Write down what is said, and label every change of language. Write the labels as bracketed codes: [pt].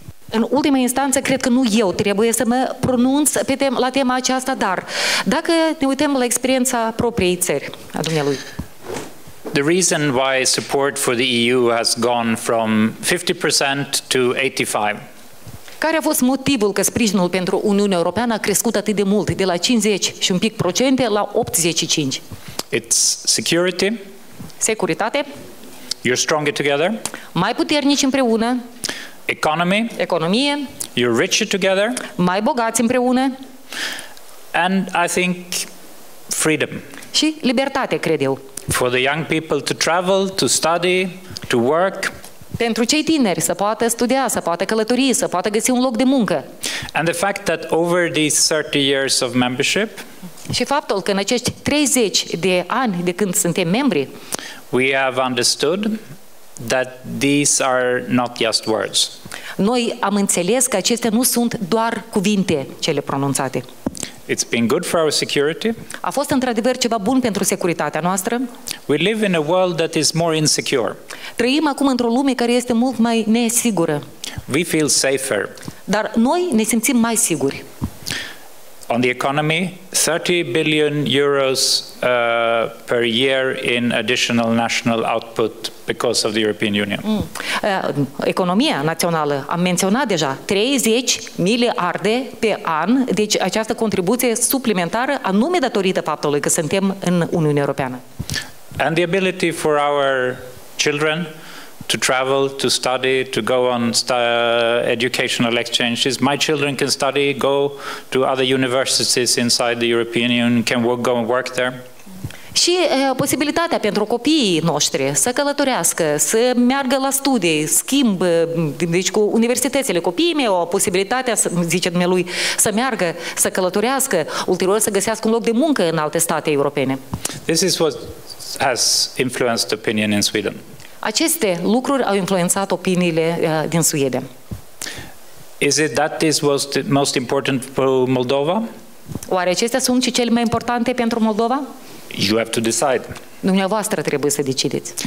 [ro] în ultima instanță cred că nu eu trebuie să mă pronunț la tema aceasta, dar dacă ne uităm la experiența propriei țări, a dumnealui. [en] The reason why support for the EU has gone from 50% to 85%. [ro] Care a fost motivul că sprijinul pentru Uniunea Europeană a crescut atât de mult, de la 50 și un pic procente la 85? [en] It's security. [ro] Securitate. [en] You're stronger together. [ro] Mai puternici împreună. [en] Economy. [ro] Economie. [en] You're richer together. [ro] Mai bogați împreună. [en] And I think freedom. [ro] și libertate, cred eu. [en] For the young people to travel, to study, to work. [ro] Pentru cei tineri să poată studia, să poată călători, să poată găsi un loc de muncă. [en] And the fact that over these 30 years of membership, [ro] și faptul că în acești 30 de ani de când suntem membri, [en] we have understood that these are not just words. [ro] Noi am înțeles că acestea nu sunt doar cuvinte cele pronunțate. [en] It's been good for our security. [ro] A fost într-adevăr ceva bun pentru securitatea noastră. [en] We live in a world that is more insecure. [ro] Trăim acum într-o lume care este mult mai nesigură. [en] We feel safer. [ro] Dar noi ne simțim mai siguri. [en] On the economy, 30 billion euros per year in additional national output because of the European Union. [ro] Economia națională, am menționat deja, 30 miliarde pe an, deci această contribuție suplimentară anume datorită faptului că suntem în Uniunea Europeană. [en] And the ability for our children to travel, to study, to go on educational exchanges. My children can study, go to other universities inside the European Union, can work, go and work there. [ro] Și posibilitatea pentru copiii noștri să călătorească, să meargă la studii, schimb, deci cu universitățile, copiii mei au posibilitatea, zice dumneavoastră lui, să meargă, să călătorească, ulterior să găsească un loc de muncă în alte state europene. [en] This is what has influenced opinion in Sweden. [ro] Aceste lucruri au influențat opiniile din Suedia. [en] Is it that this was the most important for Moldova? [ro] Oare acestea sunt și cele mai importante pentru Moldova? [en] You have to decide. [ro] Dumneavoastră trebuie să decideți.